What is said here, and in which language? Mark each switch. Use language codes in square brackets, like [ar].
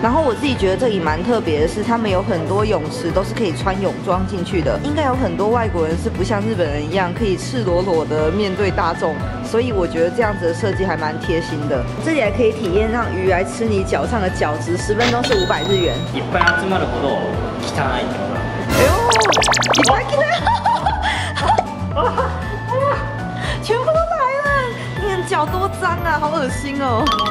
[zh] 然后我自己觉得这里蛮特别的是，他们有很多泳池都是可以穿泳装进去的，应该有很多外国人是不像日本人一样可以赤裸裸的面对大众，所以我觉得这样子的设计还蛮贴心的。这里还可以体验让鱼来吃你脚上的脚趾，十分钟是500日元。 [ja] いっぱい集まるほど汚いってことだ。哎呦，いっぱい来た！ [zh] 全部都来了，你的脚多脏啊，好恶心哦！